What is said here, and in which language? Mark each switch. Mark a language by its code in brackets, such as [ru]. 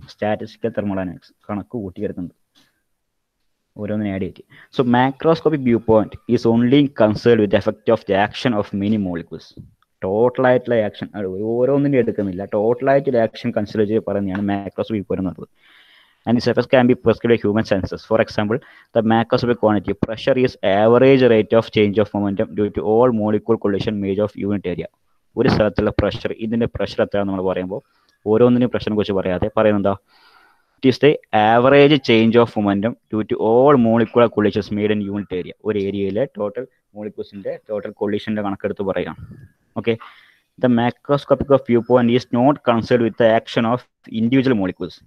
[ml] Statistical thermodynamics കണക്ക് കൂട്ടിയെടുക്കുന്നത് ഓരോന്നിനെ add ചെയ്തിട്ട്. [en] So macroscopic view point is only concerned with effect of the action of many molecules. [ml] ടോട്ടലായിട്ടുള്ള action ഓരോന്നിനെ എടുക്കുന്നില്ല, ടോട്ടലായിട്ടുള്ള action consider ചെയ്ത് പറയുന്നതാണ് macroscopic point എന്ന് പറയുന്നത്. [en] And this effect can be prescribed by human senses. For example, the macroscopic quantity pressure is average rate of change of momentum due to all molecule collision made of unit area. [ml] ഒരു സ്ഥലത്തുള്ള pressure, ഇതിൻ്റെ pressure എത്രയാണെന്ന് നമ്മൾ പറയുമ്പോൾ ഓരോന്നിനും പ്രഷറിനെ കുറിച്ച് പറയാതെ പറയുന്നതാ, [en] It is the average change of momentum due to all molecular collisions made in unit area. [ml] ഒരു ഏരിയയിലെ ടോട്ടൽ മോളിക്യൂൾസിൻ്റെ ടോട്ടൽ കൊളിഷൻ്റെ കണക്കെടുത്ത് പറയാം. [en] Okay, the macroscopic of view point is not concerned with the action of individual molecules.